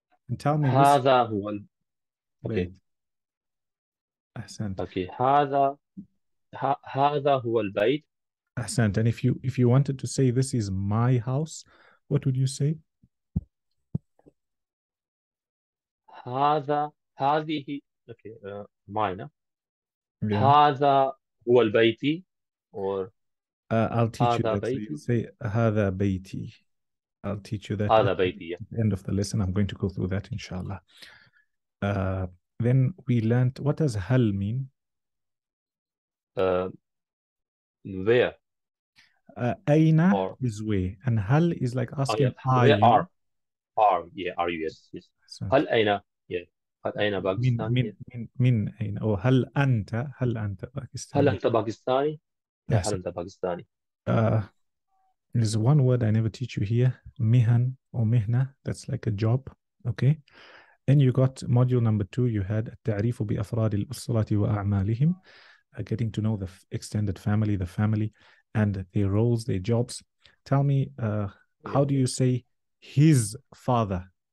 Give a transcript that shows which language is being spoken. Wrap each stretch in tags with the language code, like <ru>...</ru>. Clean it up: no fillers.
<en>And tell me</en> <ar>هذا</ar> <en>this.</en> <ar>هو البيت. Okay. أحسنت. Okay. هذا هو البيت. أحسنت.</ar> <en>And if you wanted to say this is my house, what would you say?</en> <ar>هذه</ar> <en>okay mine</en> <ar>هذا هو بيتي or</ar> <en>I'll teach you that so you say</en> <ar>هذا بيتي.</ar> <en>I'll teach you that</en> <ar>هذا بيتي,</ar> <en>at the end of the lesson. I'm going to go through that inshallah. Then we learned what does هل mean. Where أين is where, and هل is like asking are you, are you yes</en> <ar>هل أين. Yeah, هل أين باكستاني؟ من أين؟ أو هل أنت باكستاني؟ هل أنت باكستاني؟ yeah, هل أنت باكستاني؟</ar> <en>There's one word I never teach you here. مهن or مهنة. That's like a job. Okay. Then you got module number 2. You had</en> <ar>التعريف بأفراد الأسرة وأعمالهم.</ar> <en>Getting to know the extended family, the family, and their roles, their jobs. Tell me, how do you say his father?</en>